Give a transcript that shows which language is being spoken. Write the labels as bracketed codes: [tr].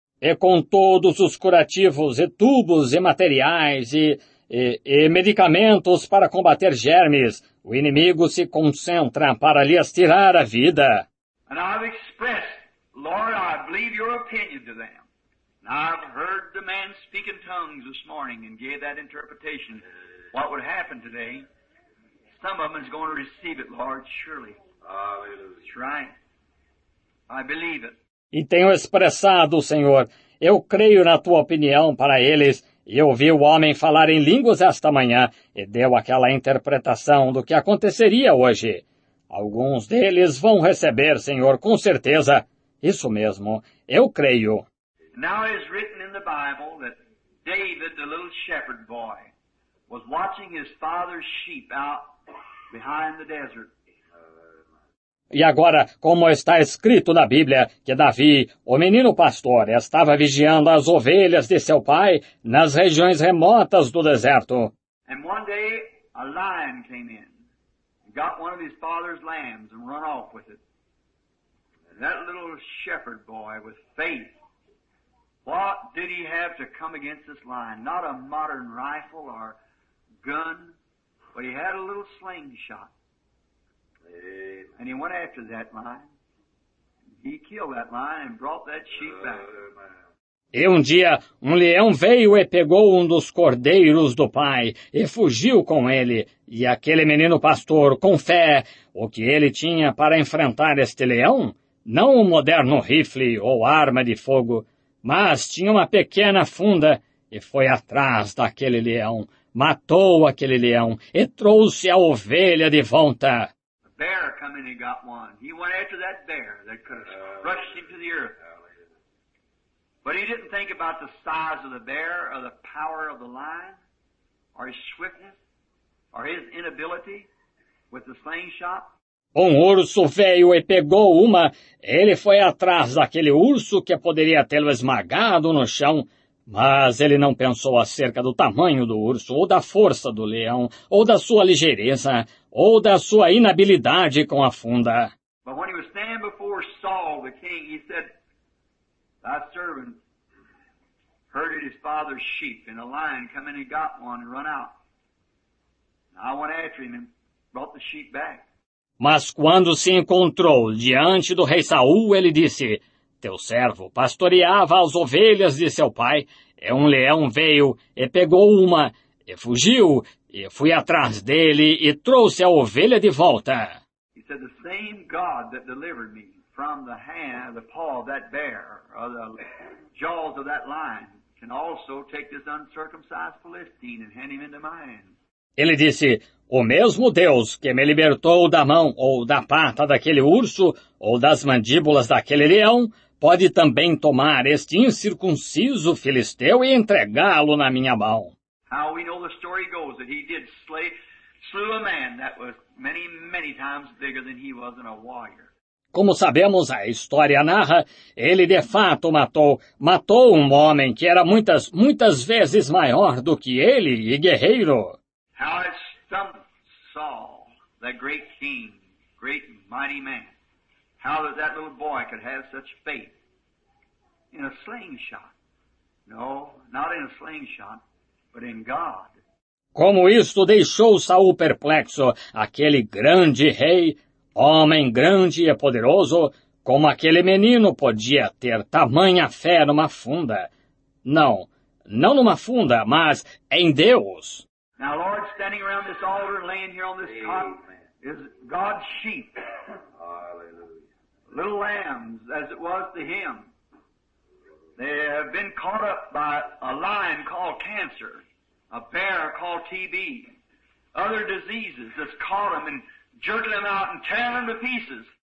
[pt] E com todos os curativos e tubos e materiais e medicamentos para combater germes, o inimigo se concentra para lhes tirar a vida. E eu expressei, Senhor, eu acredito em sua opinião para eles. E eu ouvi o homem falar em línguas esta manhã e dei essa interpretação. O que vai acontecer hoje? [en] Some of them is going to receive it, Lord, surely. [pt] Aleluia. [en] That's right. I believe it. [pt] E tenho expressado, Senhor, eu creio na Tua opinião para eles, e eu vi o homem falar em línguas esta manhã, e deu aquela interpretação do que aconteceria hoje. Alguns deles vão receber, Senhor, com certeza. Isso mesmo, eu creio. [en] Now it is written in the Bible that David, the little shepherd boy, was watching his father's sheep out behind the desert. [pt] E agora, como está escrito na Bíblia, que Davi, o menino pastor, estava vigiando as ovelhas de seu pai nas regiões remotas do deserto. [en] And one day, a lion came in, got one of his father's lambs and run off with it. And that little shepherd boy, with faith, what did he have to come against this lion? Not a modern rifle or gun, but he had a little slingshot. And he went after that lion. He killed that lion and brought that sheep back. [pt] E um dia, um leão veio e pegou um dos cordeiros do pai e fugiu com ele. E aquele menino pastor, com fé, o que ele tinha para enfrentar este leão? Não um moderno rifle ou arma de fogo, mas tinha uma pequena funda e foi atrás daquele leão. Matou aquele leão e trouxe a ovelha de volta. [en] Bear come in and got one. He went after that bear that could have crushed him to the earth. But he didn't think about the size of the bear or the power of the lion or his swiftness or his inability with the slingshot. [pt] Um urso veio e pegou uma. Ele foi atrás daquele urso que poderia tê-lo esmagado no chão. Mas ele não pensou acerca do tamanho do urso, ou da força do leão, ou da sua ligeireza, ou da sua inabilidade com a funda. [en] But when he was standing before Saul, the king, he said, "Thy servant herded his father's sheep, and a lion come in and got one and run out. And I went after him and brought the sheep back." [pt] Mas quando se encontrou diante do rei Saul, ele disse, "Teu servo pastoreava as ovelhas de seu pai, e um leão veio e pegou uma, e fugiu, e fui atrás dele e trouxe a ovelha de volta." [en] He said, "The same God that delivered me from the hand, the paw of that bear, or the jaws of that lion, can also take this uncircumcised Philistine and hand him into my hands." [pt] Ele disse, "O mesmo Deus que me libertou da mão ou da pata daquele urso ou das mandíbulas daquele leão pode também tomar este incircunciso filisteu e entregá-lo na minha mão." [en] How we know the story goes that he did slew a man that was many, many times bigger than he was in a warrior. [pt] Como sabemos, a história narra, ele de fato matou um homem que era muitas, muitas vezes maior do que ele e guerreiro. [en] How it stumped Saul, the great king, great mighty man. How did that little boy could have such faith in a slingshot? No, not in a slingshot, but in God. [pt] Como isto deixou Saul perplexo, aquele grande rei, homem grande e poderoso, como aquele menino podia ter tamanha fé numa funda? Não, não numa funda, mas em Deus. [en] Now, Lord, standing around this altar and laying here on this cot is God's sheep. Hallelujah. Little lambs, as it was to him. They have been caught up by a lion called cancer. A bear called TB, other diseases that's caught them and jerked them out and tearing them to pieces.